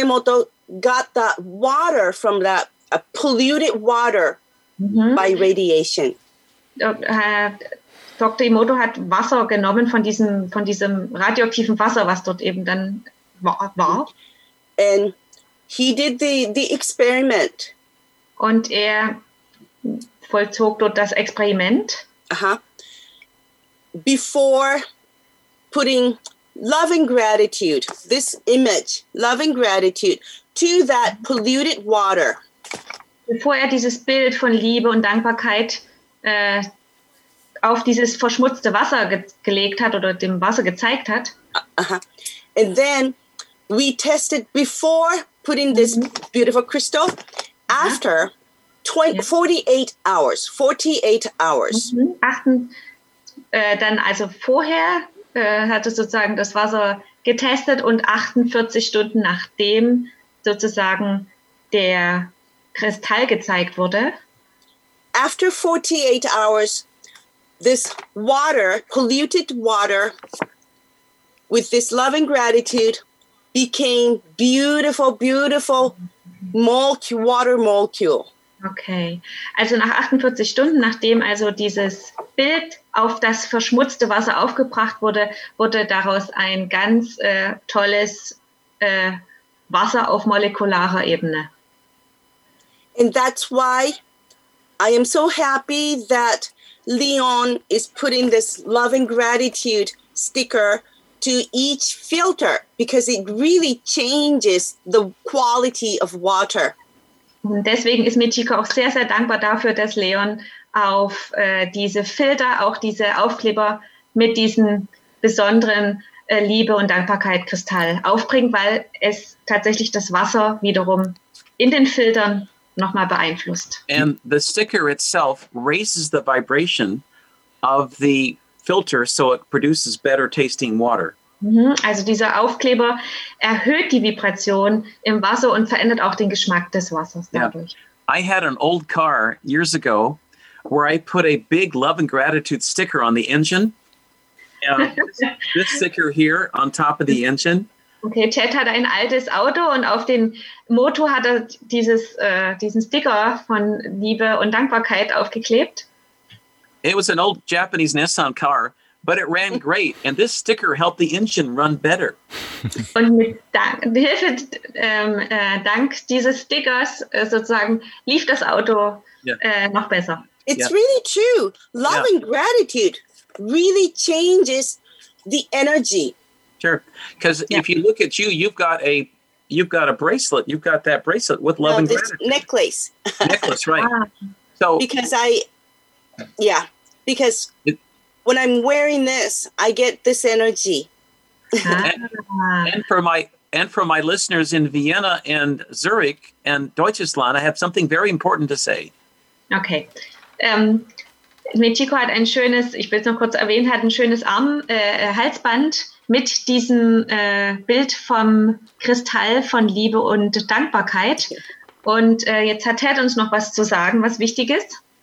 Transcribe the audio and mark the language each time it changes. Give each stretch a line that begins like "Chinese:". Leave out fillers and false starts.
English: Emoto got that water from that polluted water by radiation. Dr.
German: Emoto hat Wasser genommen von diesem radioaktiven Wasser, was dort eben dann war.
English: And he did the experiment.
German: Und er vollzog dort das Experiment. Aha.
English: Before putting love and gratitude, this image, love and gratitude, to that polluted water.
German: Bevor er dieses Bild von Liebe und Dankbarkeit auf dieses verschmutzte Wasser gelegt hat oder dem Wasser gezeigt hat. Uh-huh.
English: And then we tested before putting this beautiful crystal after 48 hours. Mm-hmm.
German: Dann also vorher hat er sozusagen das Wasser getestet und 48 Stunden nachdem sozusagen der Kristall gezeigt wurde.
English: After 48 hours, this water, polluted water, with this love and gratitude, became beautiful, beautiful water molecule.
German: Okay, also nach 48 Stunden, nachdem also dieses Bild auf das verschmutzte Wasser aufgebracht wurde, wurde daraus ein ganz tolles Wasser auf molekularer Ebene.
English: And that's why I am so happy that Leon is putting this love and gratitude sticker to each filter because it really changes the quality of water.
German: Und deswegen ist Michiko auch sehr, sehr dankbar dafür, dass Leon auf diese Filter, auch diese Aufkleber mit diesem besonderen Liebe und Dankbarkeit Kristall aufbringt, weil es tatsächlich das Wasser wiederum in den Filtern nochmal beeinflusst.
English: And the sticker itself raises the vibration of the filter so it produces better tasting water.
German: Also dieser Aufkleber erhöht die Vibration im Wasser und verändert auch den Geschmack des Wassers dadurch.
English: Yeah. I had an old car years ago where I put a big love and gratitude sticker on the engine. this sticker here on top of the engine.
German: Okay, Ted hat ein altes Auto und auf den Motor hat er diesen Sticker von Liebe und Dankbarkeit aufgeklebt.
English: It was an old Japanese Nissan car, but it ran great. And this sticker helped the engine run better.
German: Und mit Hilfe dank dieses Stickers sozusagen lief das Auto noch besser.
English: It's really true. Love and gratitude really changes the energy. Sure, because if you look at you, you've got a bracelet. You've got that bracelet with love and gratitude. Necklace. Necklace, right? So because when I'm wearing this, I get this energy. and for my listeners in Vienna and Zurich and Deutschland, I have something very important to say. Okay.
German: Michiko hat ein schönes, ich will es noch kurz erwähnen, hat ein schönes Halsband mit diesem Bild vom Kristall von Liebe und Dankbarkeit. Und jetzt hat Ted uns noch was zu sagen, was wichtig ist.